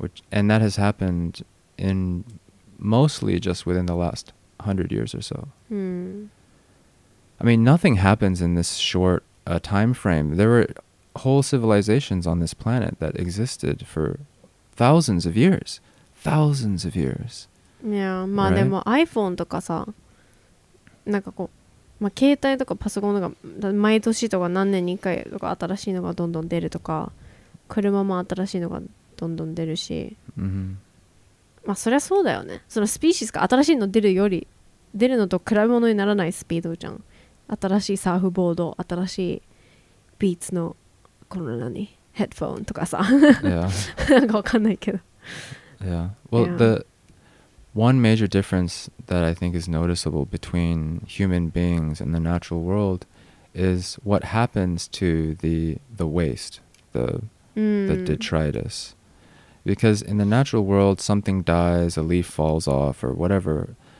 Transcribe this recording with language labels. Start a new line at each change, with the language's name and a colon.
English: And that has happened in mostly just within the last 100 years or so. I mean, nothing happens in this short time frame. There were whole civilizations on this planet that existed for thousands of years. Thousands of years.
Japanese: Yeah, まあ right? でも iPhone とかさ、なんかこう、まあ、携帯とかパソコンとか毎年とか何年に1回とか新しいのがどんどん出るとか、車も新しいのがどんどん出るし、まあそりゃそうだよね。そのスピーシーズが新しいの出るより出るのと比べ物にならないスピードじゃん。新しいサーフボード、新しいビーツのこの何ヘッドフォンとかさ、 yeah. なんかわかんないけど。
English: Yeah. Well, yeah. One major difference that I think is noticeable between human beings and the natural world is what happens to the waste, the detritus. Because in the natural world, something dies, a leaf falls off, or whatever.